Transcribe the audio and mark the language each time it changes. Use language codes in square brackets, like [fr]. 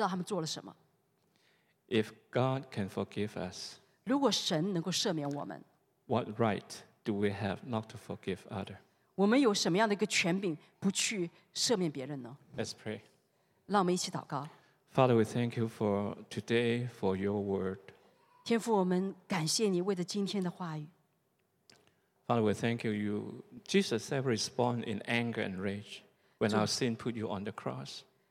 [zh] 赦免他们，因为他们不知道他们做了什么。 [en] If God can forgive us, [zh] 如果神能够赦免我们， [en] what right do we have not to forgive other? [zh] 我们有什么样的一个权柄不去赦免别人呢？ [en] Let's pray. [zh] 让我们一起祷告。 [en] Father, we thank you for today, for your word. [zh] 天父，我们感谢你为着今天的话语。 [en] Father, we thank you. Jesus said, respond in anger and rage when our sin put you on the cross.